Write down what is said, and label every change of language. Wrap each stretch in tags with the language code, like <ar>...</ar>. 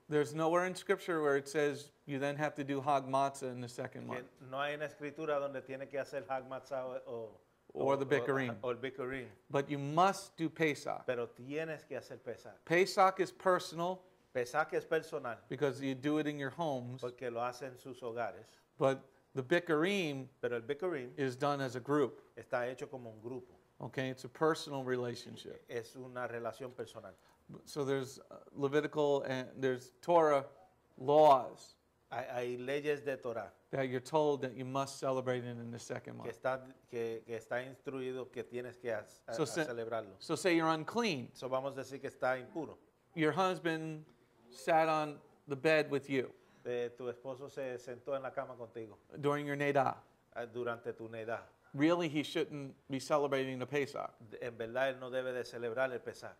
<en>There's nowhere in Scripture where it says you then have to do Hag Matzah in the second month.</en> <es>No hay en Escritura donde tiene que hacer Hag Matzah</es> <en>or the Bikurim. Or Bikurim. But you must do Pesach.</en> <es>Pero tienes que hacer Pesach.</es> <en>Pesach is personal.</en> <es>Pesach es personal.</es> <en>Because you do it in your homes.</en> <es>Porque lo hacen en sus hogares.</es> <en>But the Bikurim,</en> <es>pero el Bikurim</es> <en>is done as a group.</en> <es>Está hecho como un grupo.</es> <en>Okay, it's a personal relationship.</en> <es>Es una relación personal.</es> <en>So there's Levitical and there's Torah laws.</en> <es>Hay leyes de Torah.</es> <en>That you're told that you must celebrate it in the second month.</en> <es>Que está instruido que tienes que celebrarlo.</es> <en>So say you're unclean.</en> <es>So vamos a decir que está impuro.</es> <en>Your husband sat on the bed with you.</en> <es>Tu esposo se sentó en la cama contigo.</es> <en>During your neidah.</en> <es>Durante tu neidah.</es> <en>Really, he shouldn't be celebrating the Pesach.</en> <es>En verdad, él no debe de celebrar el Pesach.</es>